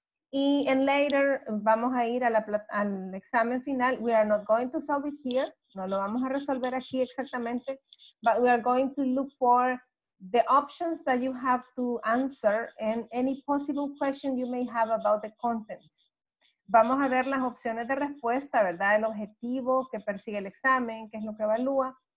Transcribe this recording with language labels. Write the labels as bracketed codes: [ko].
[es] Y en later vamos a ir al examen final. [en] We are not going to solve it here. [es] No lo vamos a resolver aquí exactamente. [en] But we are going to look for the options that you have to answer and any possible question you may have about the contents. [es] Vamos a ver las opciones de respuesta, ¿verdad? El objetivo que persigue el examen, qué es lo que evalúa.